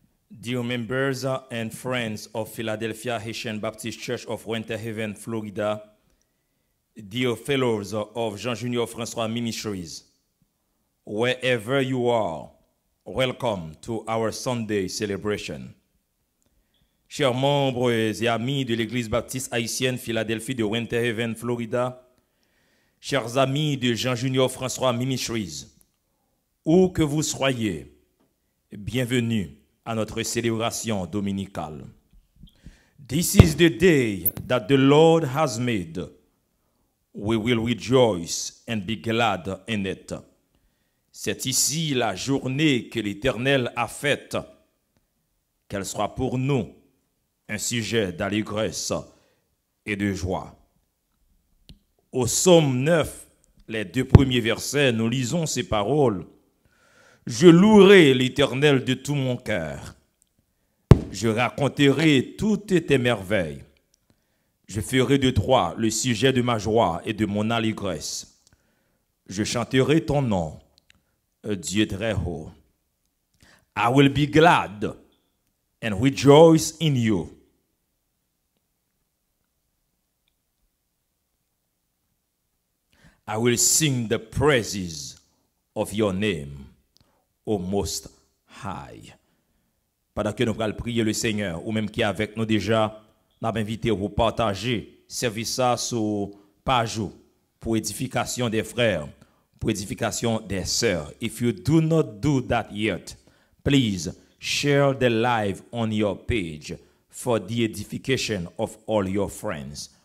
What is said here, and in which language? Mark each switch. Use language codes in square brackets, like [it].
[en] Dear members and friends of Philadelphia Haitian Baptist Church of Winter Haven, Florida, dear fellows of Jean Junior Francois Ministries, wherever you are, welcome to our Sunday celebration. [fr] Chers membres et amis de l'Église Baptiste Haïtienne Philadelphie de Winter Haven, Florida, chers amis de Jean Junior Francois Ministries, où que vous soyez, bienvenue à notre célébration dominicale. [en] This is the day that the Lord has made. We will rejoice and be glad in it. [fr] C'est ici la journée que l'Éternel a faite, qu'elle soit pour nous un sujet d'allégresse et de joie. Au psaume 9, les deux premiers versets, nous lisons ces paroles. Je louerai l'Éternel de tout mon cœur. Je raconterai toutes tes merveilles. Je ferai de toi le sujet de ma joie et de mon allégresse. Je chanterai ton nom, Dieu très haut. [en] I will be glad and rejoice in you. I will sing the praises of your name. Au Most High. [fr] Pendant que nous allons prier le Seigneur, ou même qui est avec nous déjà, nous avons invité à vous partager, servir ça sur page pour édification des frères, pour édification des sœurs. [en] If you do not do that yet, please share the live on your page for the edification of all your friends.